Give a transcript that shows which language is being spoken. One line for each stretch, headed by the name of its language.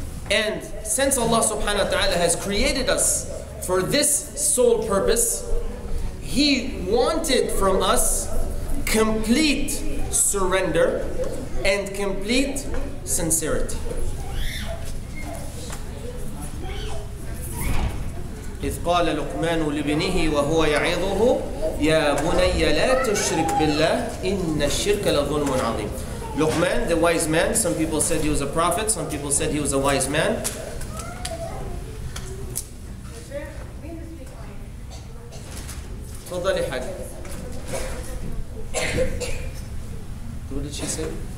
English: And since Allah subhanahu wa ta'ala has created us for this sole purpose, He wanted from us complete surrender and complete sincerity.
Arabic: إذ قال لقمان لابنه وهو يعظه يا بني لا تشرك بالله إن الشرك لظلم عظيم.
English: لقمان, the wise man, some people said he was a prophet, some people said he was a wise man.
Arabic: تفضلي حاجة.
English: What did she say?